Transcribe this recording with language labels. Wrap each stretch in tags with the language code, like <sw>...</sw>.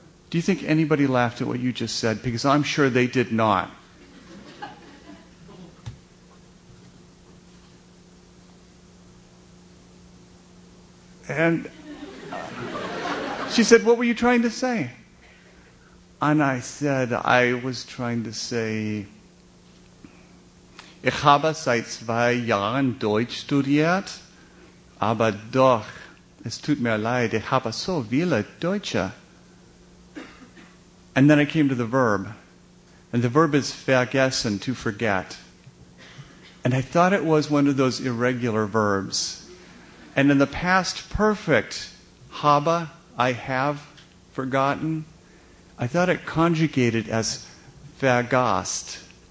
<en>Do you think anybody laughed at what you just said? Because I'm sure they did not. And she said, what were you trying to say? And I said, I was trying to say,</en> <de>ich habe seit 2 Jahren Deutsch studiert, aber doch, es tut mir leid, ich habe so viele Deutsche.</de> <en>And then I came to the verb. And the verb is vergessen, to forget. And I thought it was one of those irregular verbs. And in the past perfect, habe, I have forgotten, I thought it conjugated as vergast.</en>